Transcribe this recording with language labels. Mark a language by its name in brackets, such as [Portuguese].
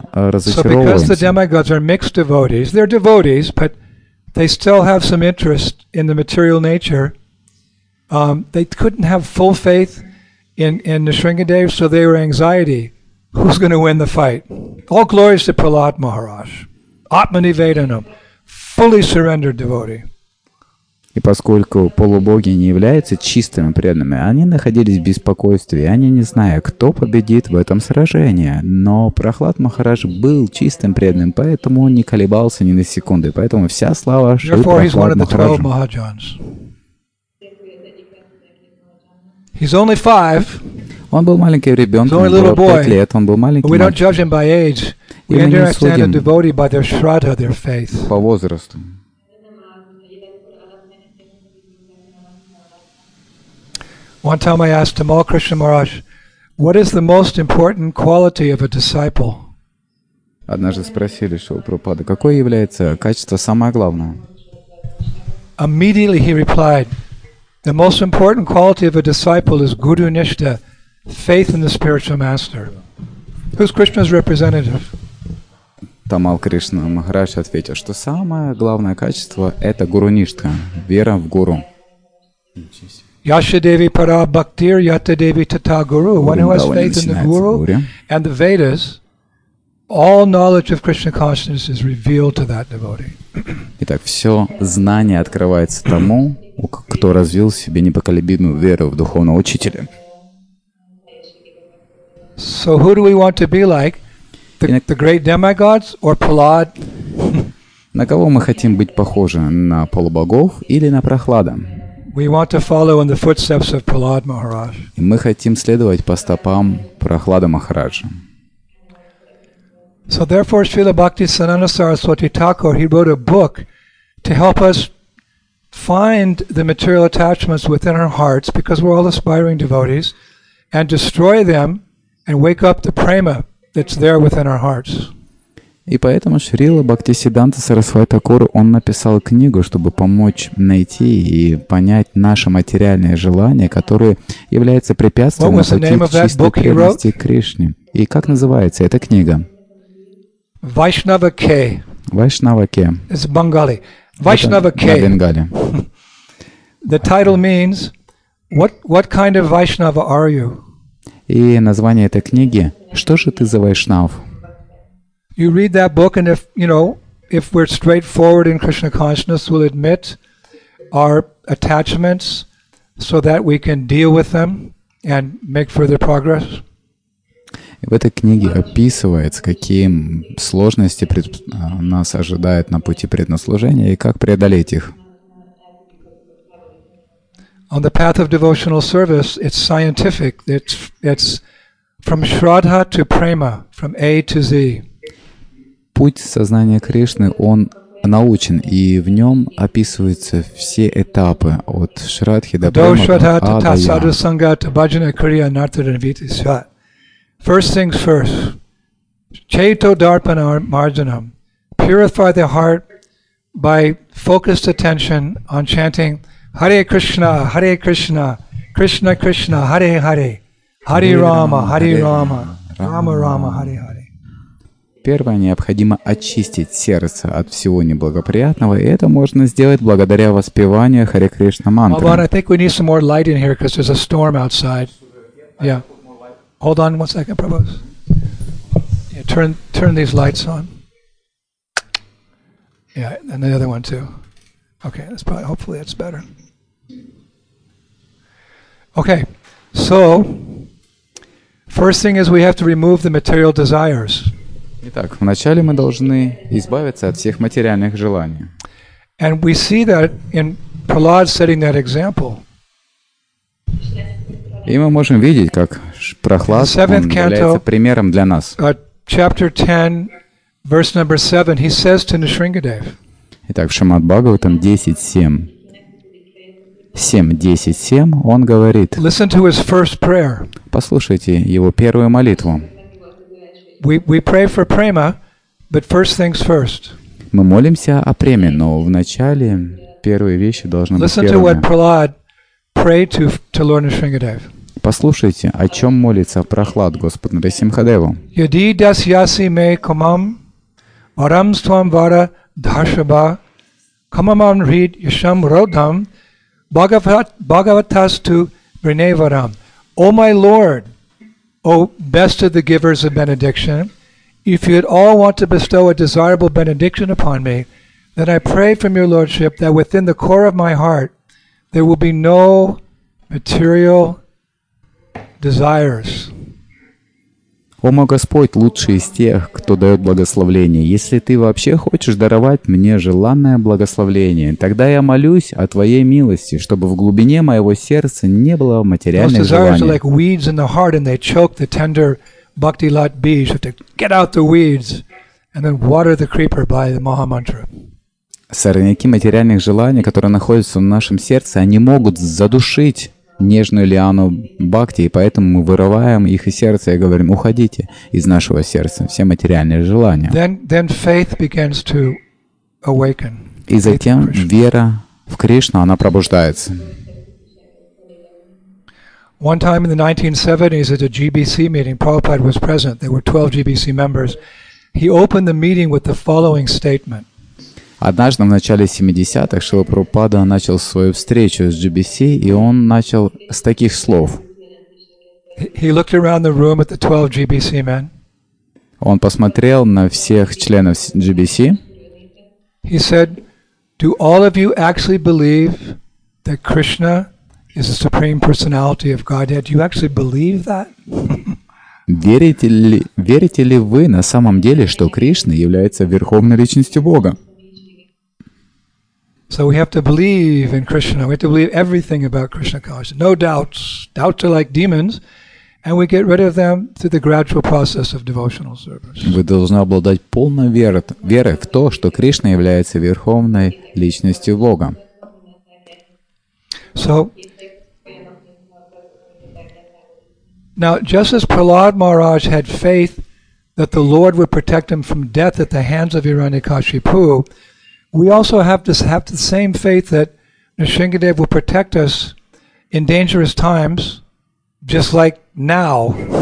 [Russian] разочаровываемся. [English] They couldn't have full faith in the Sringadev, so they were anxiety. Who's going to win the fight? All glories to Prahlad Maharaj. Atmanivedanam. Fully surrendered devotee. [Russian] И поскольку полубоги не являются чистыми преданными, они находились в беспокойстве, и они не зная, кто победит в этом сражении. Но Прахлад Махарадж был чистым преданным, поэтому он не колебался ни на секунду, поэтому вся слава шла Прахлад Махараджу. [English] He's only five. [Russian] Он был маленьким ребенком, ему было 5 лет, он был маленьким. [English] We don't judge him by age. We understand a devotee by their shraddha, their faith. [Russian] По возрасту. [English] One time I asked Tamal Krishna Maharaj, what is the most important quality of a disciple? [Russian] Однажды спросили, что у Прабхупады, какое является качество самое главное? [English] Immediately he replied, the most important quality of a disciple is guru nishtha, faith in the spiritual master. Who's Krishna's representative? [Russian] Тамал Кришна Махарадж ответил, что самое главное качество – это гуру ништа, вера в гуру. [Sanskrit] Yasya Devi Para Bhaktir Yata Devi Tata Guru. [English] One who has faith in the Guru and the Vedas, all knowledge of Krishna consciousness is revealed to that devotee. [Russian] Итак, все знание открывается тому, кто развил в себе непоколебимую веру в духовного учителя. [English] So who do we want to be like? The great demigods or Prahlad? [Russian] На кого мы хотим быть похожи? На полубогов или на Прахлада? [English] We want to follow in the footsteps of Prahlad Maharaj. [Russian] И мы хотим следовать по стопам Прахлада Махараджа. [English] So therefore, Srila Bhakti Sananda Saraswati Thakur, he wrote a book to help us find the material attachments within our hearts, because we're all aspiring devotees, and destroy them and wake up the prema that's there within our hearts. [Russian] И поэтому Шрила Бхактисиддханта Сарасвати Такур, он написал книгу, чтобы помочь найти и понять наше материальное желание, которое является препятствием на пути к чистой преданности Кришне. И как называется эта книга? [Bangla] Vaishnava K. Vaishnava K. [English] It's Bengali. Vaishnava K. [Russian] На Бенгале. [English] The title means what kind of Vaishnava are you? [Russian] И название этой книги: что же ты за вайшнав? [English] You read that book, and if we're straightforward in Krishna consciousness, we'll admit our attachments so that we can deal with them and make further progress. [Russian] В этой книге описывается, какие сложности нас ожидают на пути преднослужения и как преодолеть их. [English] On the path of devotional service, it's scientific. It's from shraddha to prema, from A to Z. [Russian] Путь сознания Кришны, он научен, и в нем описываются все этапы от шрадхи до прама до адая. [English] First things first. [Sanskrit] Chaito darpana marjanam. [English] Purify the heart by focused attention on chanting [Sanskrit] Hare Krishna, Hare Krishna, Krishna Krishna, Hare Hare, Hare Rama, Hare Rama, Rama Rama, Hare Hare. [Russian] Первое, необходимо очистить сердце от всего неблагоприятного, и это можно сделать благодаря воспеванию Харе Кришна мантры. [English] Hold on, I think we need some more light in here, because there's a storm outside. Yeah. Hold on one second, Prabhu. Yeah, turn these lights on. Yeah, and the other one too. Okay, that's probably, hopefully it's better. Okay, so, first thing is we have to remove the material desires. [Russian] Итак, вначале мы должны избавиться от всех материальных желаний. [English] And we see that in Prahlad setting that example. [Russian] И мы можем видеть, как Прахлад является примером для нас. [English] Chapter 10, verse number 7, he says to Nrisingadev. [Russian] Итак, в Шримад-Бхагаватам 10.7, он говорит. [English] Listen to his first prayer. [Russian] Послушайте его первую молитву. [English] We pray for prema, but first things first. [Russian] Мы молимся о преме, но вначале первые вещи должны быть первыми. [English] Listen to what Prahlad prayed to Lord Nrisingadev. [Russian] послушайте, о чем молится Прохлад Господу Нарасимхадеву. [Sanskrit] Яди дасьяси ме камам варамствам вара дхашаба камамам рид ишам родхам бхагаватасту вриневарам. [English] О май лорд, о бест оф гиверс оф бенедикшн, if you at all want to bestow a desirable benediction upon me, then I pray from your lordship that within the core of my heart there will be no material desires. [Russian] О мой Господь, лучший из тех, кто дает благословение, если ты вообще хочешь даровать мне желанное благословление, тогда я молюсь о твоей милости, чтобы в глубине моего сердца не было материальных желаний. [English] Those desires are like weeds in the heart, and they choke the tender Bhakti Lat Bij, have to get out the weeds and then water the creeper by the Maha Mantra. [Russian] Сорняки материальных желаний, которые находятся в нашем сердце, они могут задушить нежную лиану Бхакти, и поэтому мы вырываем их из сердца и говорим: уходите из нашего сердца, все материальные желания. [English] Then faith begins to awaken. [Russian] И затем вера в Кришну, она пробуждается. [English] One time in the 1970s at a GBC meeting, Prabhupada was present. There were 12 GBC members. He opened the meeting with the following statement. [Russian] Однажды в начале 70-х Шрила Прабхупада начал свою встречу с GBC, и он начал с таких слов. [English] He looked around the room at the 12 GBC men. [Russian] Он посмотрел на всех членов GBC. [English] He said, "Do all of you actually believe that Krishna is the supreme personality of Godhead? Do you actually believe that?" [Russian] Верите ли вы на самом деле, что Кришна является верховной личностью Бога? [English] So we have to believe in Krishna. We have to believe everything about Krishna consciousness. No doubts. Doubts are like demons, and we get rid of them through the gradual process of devotional service. [Russian] Вы должны обладать полной верой в то, что Кришна является верховной личностью Бога. [English] So now, just as Prahlad Maharaj had faith that the Lord would protect him from death at the hands of Hiranyakashipu, we also have the same faith that Nrisimhadev will protect us in dangerous times, just like now.